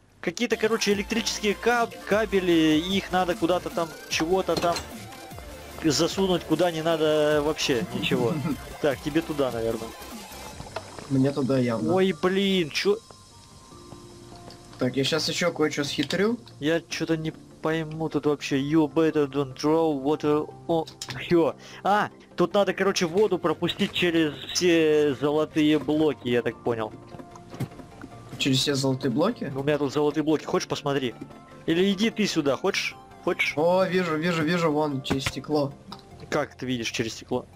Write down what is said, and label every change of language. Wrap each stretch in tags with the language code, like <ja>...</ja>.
<ru>Какие-то, короче, электрические кабели, их надо куда-то там, чего-то там засунуть, куда не надо вообще ничего. Так, тебе туда, наверное. Мне туда явно. Ой, блин, чё? Так, я сейчас еще кое-что схитрю. Я что-то не пойму тут вообще.</ru> <en>You better don't throw water on here.</en> <ru>А, тут надо, короче, воду пропустить через все золотые блоки, я так понял. Через все золотые блоки? У меня тут золотые блоки, хочешь посмотри? Или иди ты сюда, хочешь? Хочешь? О, вижу, вижу, вижу, вон, через стекло. Как ты видишь через стекло?</ru>